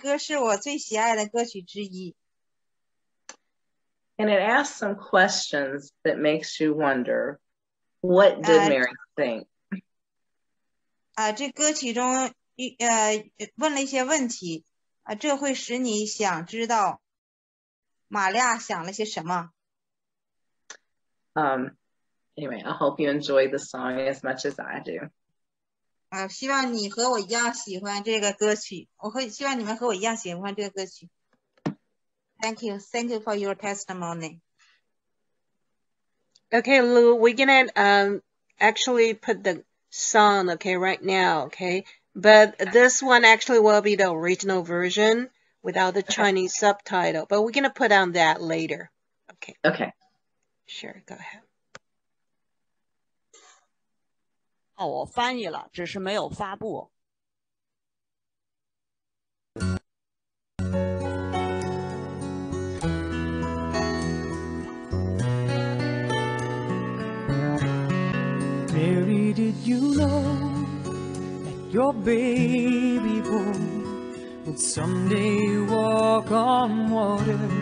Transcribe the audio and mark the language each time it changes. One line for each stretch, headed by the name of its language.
Chinese: 我们现在听到的歌是我最喜爱的歌曲之一。
English: And it asks some questions that makes you wonder, what did Mary think?
Chinese: 这歌曲中问了一些问题，这会使你想知道玛利亚想了些什么。
English: Anyway, I hope you enjoy the song as much as I do.
Chinese: 希望你和我一样喜欢这个歌曲。我会希望你们和我一样喜欢这个歌曲。
English: Thank you for your testimony. Okay, Lou, we're going to actually put the song, okay, right now, okay? But this one actually will be the original version without the Chinese subtitle, but we're going to put on that later. Okay. Okay. Sure, go ahead.
Chinese: 哦，我翻译了，只是没有发布。
English: Mary, did you know that your baby boy would someday walk on water?